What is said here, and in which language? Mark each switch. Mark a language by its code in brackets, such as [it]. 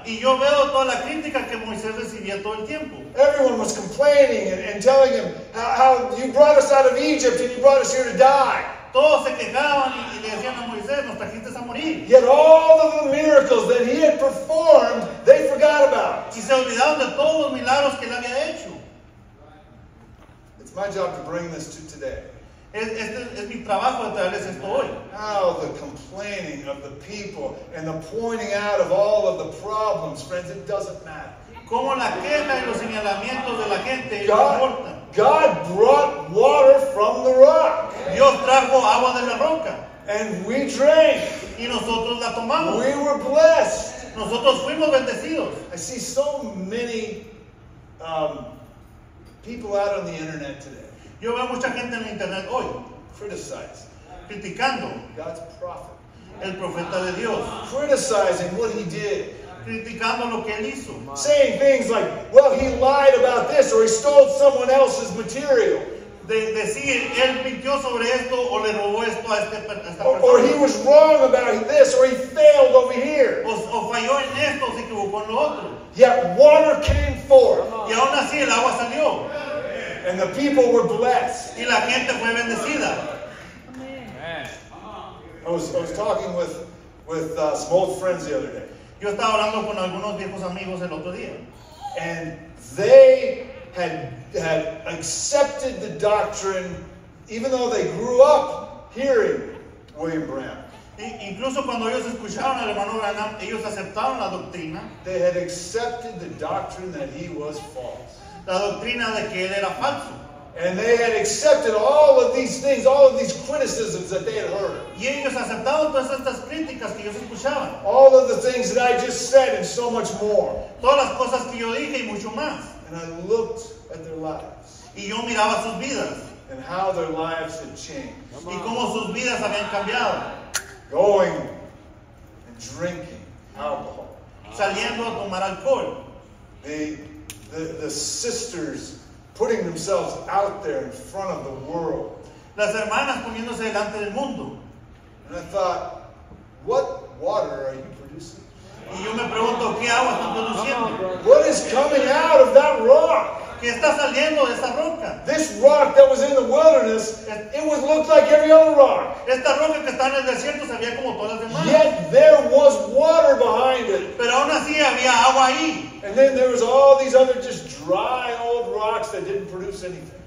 [es] Y yo veo toda la crítica que Moisés recibía todo el tiempo. [en] Everyone was complaining and telling him how you brought us out of Egypt and you brought us here to die. [es] Todos se quejaban y le decían a Moisés, nos trajiste a morir. [en] Yet all of the miracles that he had performed, they forgot about. [es] Y se olvidaron de todos los milagros que él había hecho. [en] It's my job to bring this to today. [es] Es mi trabajo de traerles esto hoy. [en] Oh, the complaining of the people and the pointing out of all of the problems, friends, it doesn't matter. [es] Como la queja y los señalamientos de la gente, no importa. [en] God brought water from the rock. [es] Dios trajo agua de la roca. [en] And we drank. [es] Y nosotros la tomamos. [en] We were blessed. [es] Nosotros fuimos bendecidos. [en] I see so many people out on the internet today. [es] Yo veo mucha gente en la internet hoy. [en] Criticizing. [es] Criticando. [en] God's prophet. [es] El profeta de Dios. [en] Criticizing what he did. [es] Criticando lo que él hizo. [en] Saying things like, well, he lied about this or he stole someone else's material. [es] Decir, él mintió sobre esto o le robó esto a esta persona. [en] Or he was wrong about this or he failed over here. [es] O falló en esto o se equivocó en lo otro. [en] Yet water came forth. [es] Y aún así el agua salió. [en] And the people were blessed. [es] Y la gente fue bendecida. [en] I was talking with some old friends the other day. [es] Yo estaba hablando con algunos viejos amigos el otro día. [en] And they had accepted the doctrine, even though they grew up hearing William Branham. [es] Incluso cuando ellos escucharon al hermano Branham, ellos aceptaron la doctrina. [en] They had accepted the doctrine that he was false. [es] La doctrina de que él era falso. [en] And they had accepted all of these things, all of these criticisms that they had heard. [es] Y ellos aceptaron todas estas críticas que ellos escuchaban. [en] All of the things that I just said and so much more. [es] Todas las cosas que yo dije y mucho más. [en] And I looked at their lives. [es] Y yo miraba sus vidas. [en] And how their lives had changed. [es] Y cómo sus vidas habían cambiado. [en] Going and drinking alcohol. [es] Saliendo a tomar alcohol. [en] The sisters putting themselves out there in front of the world. [es] Las hermanas poniéndose delante del mundo. [en] And I thought, what water are you producing? [es] Y yo me pregunto, ¿qué agua están produciendo? [en] What is coming out of that rock? [es] ¿Qué está saliendo de esta roca? [en] This rock that was in the wilderness, it was looked like every other rock. [es] Esta roca que está en el desierto se veía como todas las demás. [en] Yet there was water behind it. [es] Pero aún así había agua ahí. [en] And then there was all these other just dry old rocks that didn't produce anything.